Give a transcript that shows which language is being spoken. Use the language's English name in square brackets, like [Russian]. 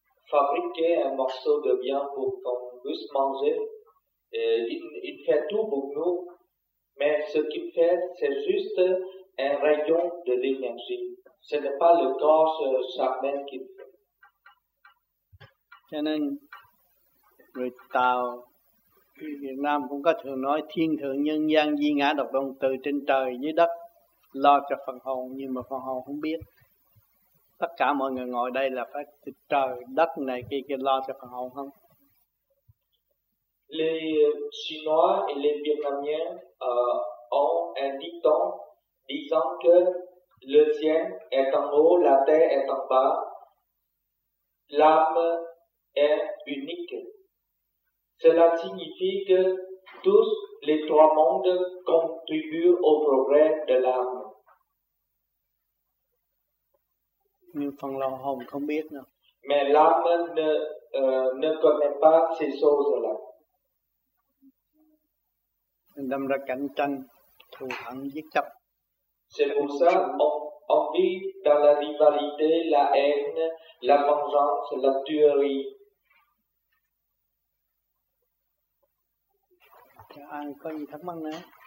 [French] fabriquer un morceau de viande pour qu'on puisse manger. Il fait tout pour nous, mais ce qu'il fait, c'est juste un rayon de l'énergie. Ce n'est pas le corps charnel qu'il fait. [Vietnamese] Cho nên người Tàu Việt Nam cũng có thường nói thiên thượng nhân gian duy ngã độc tôn, từ trên trời dưới đất lo cho phần hồn, nhưng mà phần hồn không biết. Tất cả mọi người ngồi đây là phải từ trời đất này kia kia lo cho phần hồn không? [French] Les Chinois et les Vietnamiens ont un dicton disant que le ciel est en haut, la terre est en bas, l'âme est unique. Cela signifie que tous les trois mondes contribuent au progrès de l'âme. [Vietnamese] Nhưng phần lòng hồn không biết nữa. [French] Mais l'âme ne connaît pas ces choses-là. [Vietnamese] Đâm ra cạnh tranh, thù hận, giết chóc. [French] C'est pour ça on vit dans la rivalité, la haine, la vengeance, la tuerie. [Vietnamese] Ai có gì thắc mắc nữa?